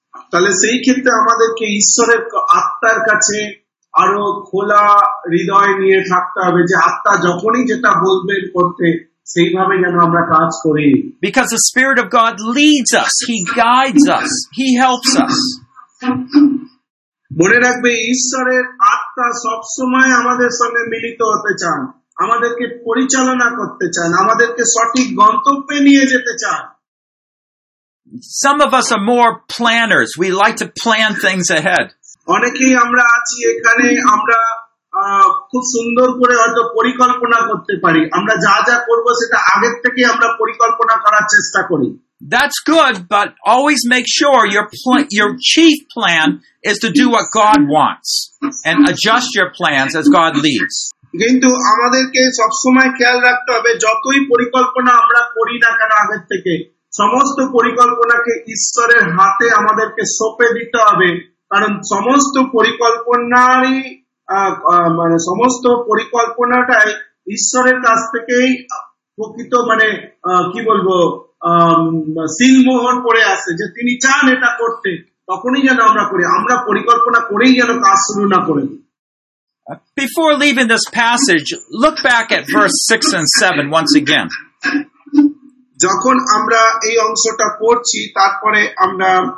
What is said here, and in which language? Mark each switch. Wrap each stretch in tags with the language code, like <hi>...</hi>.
<bn>তাহলে সেই ক্ষেত্রে আমাদেরকে ঈশ্বরের আত্মার কাছে আরো খোলা হৃদয় নিয়ে থাকতে হবে যে আত্মা যখনই যেটা বলবেন করতে সেইভাবে যেন আমরা কাজ করি।</bn> <en>Because the Spirit of God leads us, he guides us, he helps us.</en> <bn>মনে রাখবে ঈশ্বরের আত্মা সব সময় আমাদের সঙ্গে মিলিত হতে চান, আমাদেরকে পরিচালনা করতে চান, আমাদেরকে সঠিক গন্তব্যে নিয়ে যেতে চান।</bn> <en>Some of us are more planners, we like to plan things ahead.</en> <bn>অনেকেই আমরা আছি এখানে আমরা খুব সুন্দর করে হয়তো পরিকল্পনা করতে পারি, আমরা যা যা করব সেটা আগের থেকে আমরা পরিকল্পনা করার চেষ্টা করি।</bn> <en>That's good, but always make sure your chief plan is to do what God wants and adjust your plans as God leads.</en> <bn>কিন্তু আমাদেরকে সব সময় খেয়াল রাখতে হবে যতই পরিকল্পনা আমরা করি না কেন আগের থেকে সমস্ত পরিকল্পনাকে ঈশ্বরের হাতে আমাদেরকে সঁপে দিতে হবে, কারণ সমস্ত পরিকল্পনারই মানে সমস্ত পরিকল্পনাটাই ঈশ্বরের কাছ থেকেই প্রকৃত মানে কি বলবো সিলমোহর পড়ে আছে যে তিনি চান এটা করতে, তখনই যেন আমরা করি, আমরা পরিকল্পনা করেই যেন কাজ শুরু না করি।</bn> <en>Before leaving this passage, look back at verse 6 and 7 once again.</en> <bn>যখন আমরা এই অংশটা পড়ছি তারপরে আমরা</bn>